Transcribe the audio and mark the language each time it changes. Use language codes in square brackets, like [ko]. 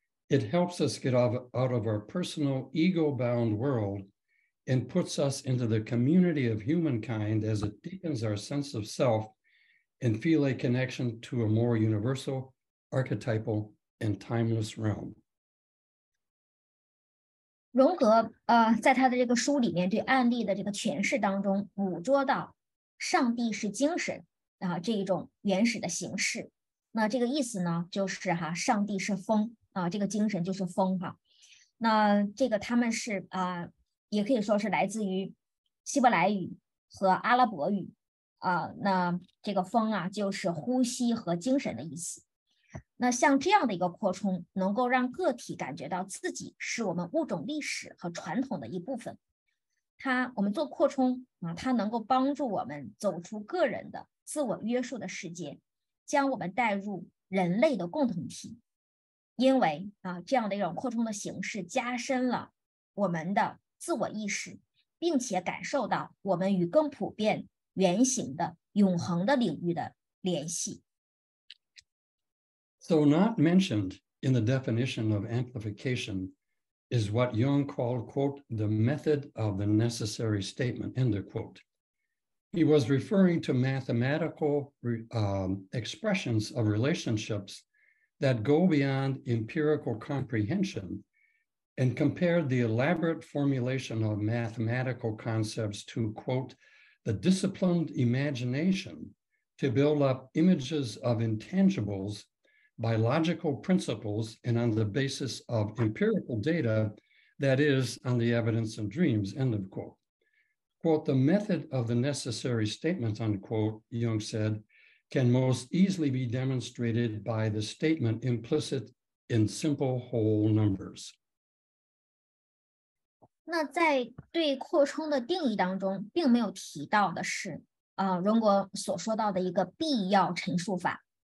[en] It helps us get out of our personal ego-bound world and puts us into the community of humankind as it deepens our sense of self and feel a connection to a more universal, archetypal, and timeless realm. [zh] 荣格在他的这个书里面对案例的这个诠释当中捕捉到上帝是精神这一种原始的形式。那这个意思呢就是上帝是风这个精神就是风那这个他们是也可以说是来自于希伯来语和阿拉伯语那这个风就是呼吸和精神的意思。那像这样的一个扩充能够让个体感觉到自己是我们物种历史和传统的一部分。我们做扩充它能够帮助我们走出个人的自我约束的世界，将我们带入人类的共同体。因为这样的一种扩充的形式加深了我们的自我意识，并且感受到我们与更普遍原型的永恒的领域的联系。 [en] So not mentioned in the definition of amplification is what Jung called, quote, the method of the necessary statement, end of quote. He was referring to mathematical expressions of relationships that go beyond empirical comprehension and compared the elaborate formulation of mathematical concepts to, quote, the disciplined imagination to build up images of intangibles by logical principles and on the basis of empirical data, that is, on the evidence of dreams, end of quote. Quote, the method of the necessary statement, unquote, Jung said, can most easily be demonstrated by the statement implicit in simple whole numbers. [zh] 那在对扩充的定义当中并没有提到的是荣格所说到的一个必要陈述法。